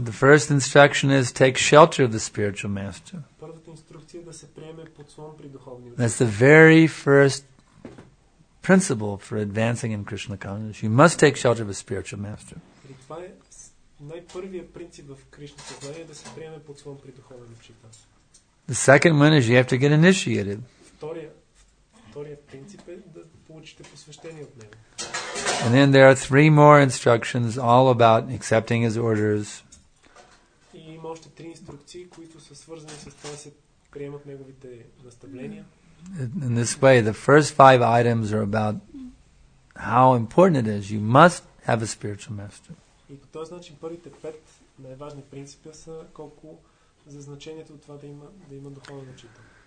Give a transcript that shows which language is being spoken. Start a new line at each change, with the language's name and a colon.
English: The first instruction is take shelter of the spiritual master.
Bulgarian: Първата инструкция е да се приеме под слон при духовния учител.
English: That's the very first principle for advancing in Krishna consciousness. You must take shelter of a spiritual master.
Bulgarian: Това е най-първият принцип в Кришна съзнание, да се приеме под слон при духовния учител.
English: The second one is you have to get initiated.
Bulgarian: Вторият принцип е да получите посвещение от него.
English: And then there are three more instructions all about accepting his orders.
Bulgarian: И има още три инструкции, които са свързани с това, се приемат неговите наставления.
English: In this way, the first five items are about how important it is. You must have a spiritual master.
Bulgarian: И по този начин първите пет най-важни принципи са колко за значението от това да има духовен учител.